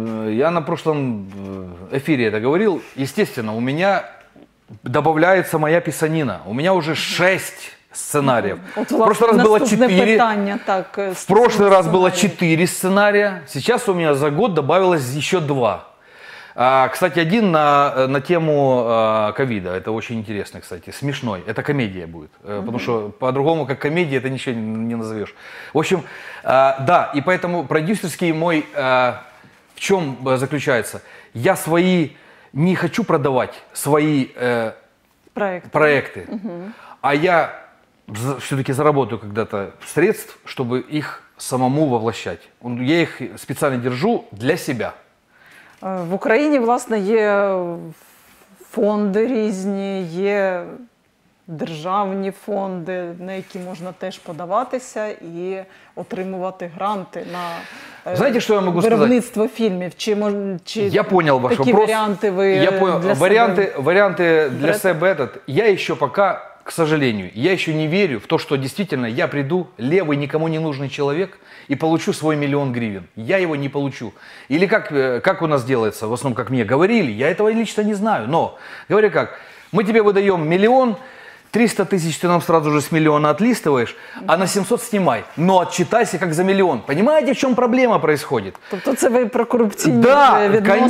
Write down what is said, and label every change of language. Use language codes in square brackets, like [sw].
[uk] Я [ru] на прошлом [uk] ефірі це говорив. Звісно, у мене додається моя писанина. У мене вже 6 сценаріїв. Просто раз було 4. [ru] В прошлый раз було 4 сценарія. Сейчас у мене за год добавилось ще 2. Кстати, один на тему ковида. Это очень интересный, кстати. Смешной. Это комедия будет. Mm-hmm. Потому что по-другому, как комедия, это ничего не назовешь. В общем, да, и поэтому продюсерский мой в чем заключается? Я свои не хочу продавать свои проекты. Mm-hmm. А я все-таки заработаю когда-то средств, чтобы их самому воплощать. Я их специально держу для себя. [uk] В Україні, власне, є фонди різні, є державні фонди, на які можна теж подаватися і отримувати гранти на виробництво фільмів. Чи я поняв ваш вопрос. Які варіанти ви для себе? Варіанти для себе этот. Я ще поки, [ru] к сожалению, [uk] я ще не вірю в те, що дійсно я прийду, лівий, нікому не нужний чоловік, [ru] и получу свой миллион гривен. Я его не получу. Или как у нас делается, в основном, как мне говорили, я этого лично не знаю, но, говоря как, мы тебе выдаем миллион, 300 тысяч ты нам сразу же с миллиона отлистываешь, а на 700 снимай. Но отчитайся как за миллион. Понимаете, в чем проблема происходит? То есть вы про коррупционные